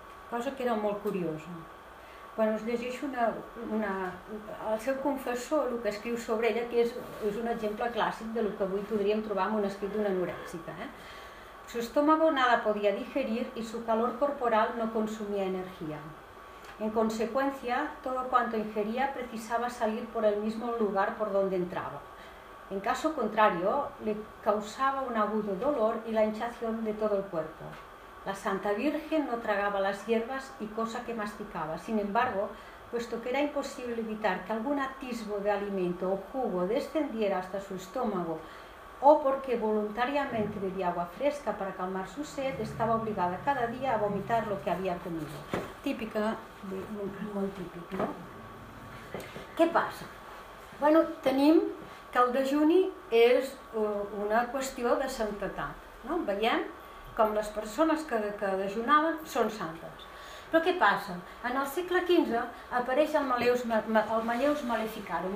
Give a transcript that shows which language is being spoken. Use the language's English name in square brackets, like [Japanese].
[Catalan] Cosa que era molt curiosa. Quan us llegeixo el seu confessor, el que escriu sobre ella, que és un exemple clàssic de del que avui podríem trobar en un escrit d'una anorèxica. [Spanish] Su estómago nada podía digerir y su calor corporal no consumía energía. En consecuencia, todo cuanto ingería precisaba salir por el mismo lugar por donde entraba. En caso contrario, le causaba un agudo dolor y la hinchazón de todo el cuerpo. La Santa Virgen no tragaba las hierbas y cosa que masticaba. Sin embargo, puesto que era imposible evitar que algún atisbo de alimento o jugo descendiera hasta su estómago, o porque voluntariamente bebía agua fresca para calmar su sed, estaba obligada cada día a vomitar lo que había comido. [Catalan] Típica, molt típic, no? Què passa? Bueno, tenim que el dejuni és una qüestió de santetat, no? Veiem com les persones que dejunaven són santes. Però què passa? En el segle XV apareix el Malleus Maleficarum.